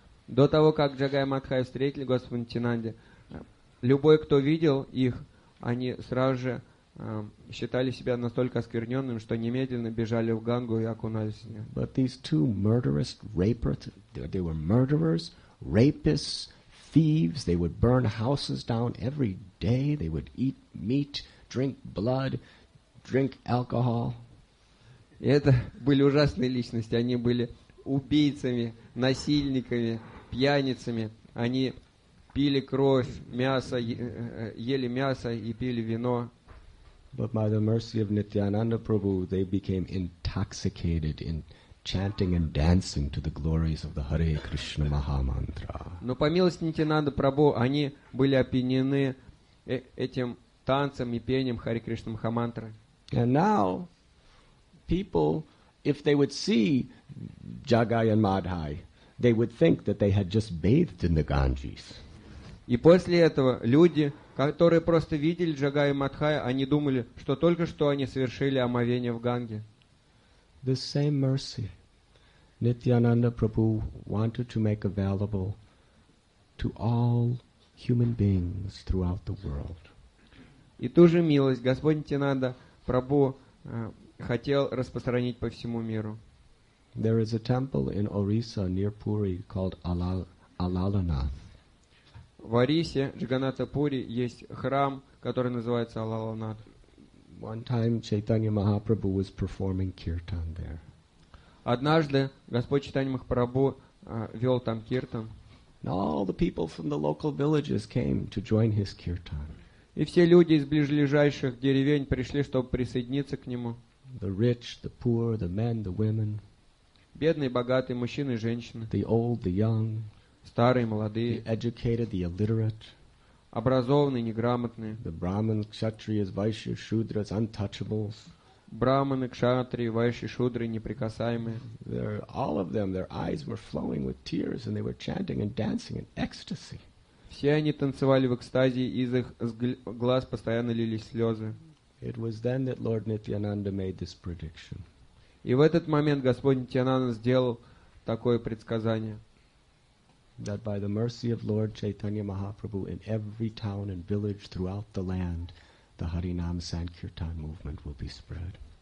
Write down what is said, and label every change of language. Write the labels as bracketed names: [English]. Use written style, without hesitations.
[Russian] До того, как Джагай и Мадхай встретили Господа Нитьянанду, любой, кто видел их, они сразу же считали себя настолько оскверненным, что немедленно бежали в Гангу и окунались в нее. [English] But these two murderous rapists, they were murderers, rapists, thieves, they would burn houses down every day, they would eat meat, drink blood, drink alcohol. [Russian] Это были ужасные личности. Они были убийцами, насильниками, пьяницами. Они пили кровь, мясо, ели мясо и пили вино. [English] But by the mercy of Nityananda Prabhu, they became intoxicated in chanting and dancing to the glories of the Hare Krishna Mahamantra. [Russian] Но по милости Нитьянанды Прабху они были опьянены этим танцем и пением Харе Кришна Махамантры. [English] And now, people, if they would see Jagai and Madhai, they would think that they had just bathed in the Ganges. [Russian] И после этого люди, которые просто видели Джагая и Мадхая, они думали, что только что они совершили омовение в Ганге. [English] The same mercy Nityananda Prabhu wanted to make available to all human beings throughout the world. [Russian] И ту же милость Господь Нитьянанда Прабху хотел распространить по всему миру. [English] There is a temple in Orissa near Puri called Alalanath. [Russian] В Орисе, Джаганнатха Пури, есть храм, который называется Алаланат. [English] One time Chaitanya Mahaprabhu was performing kirtan there. [Russian] Однажды Господь Чайтанья Махапрабху вел там киртан. [English] All the people from the local villages came to join his kirtan. [Russian] И все люди из ближайших деревень пришли, чтобы присоединиться к нему. [English] The rich, the poor, the men, the women. [Russian] Бедные, богатые, мужчины и женщины. [English] The old, the young. [Russian] Старые, молодые. [English] The educated, the illiterate. [Russian] Образованные, неграмотные. [English] The brahmins, kshatriyas, vaishyas, shudras, untouchables. [Russian] Брахманы, кшатрии, вайши, шудры, неприкасаемые. [English] They're, all of them, their eyes were flowing with tears, and they were chanting and dancing in ecstasy. [Russian] Все они танцевали в экстазе, из их глаз постоянно лились слезы. [English] It was then that Lord Nityananda made this prediction. [Russian] И в этот момент Господь Нитьянанда сделал такое предсказание. [English] That by the mercy of Lord Chaitanya Mahaprabhu, in every town and village throughout the land, the Harinam Sankirtan movement will be spread.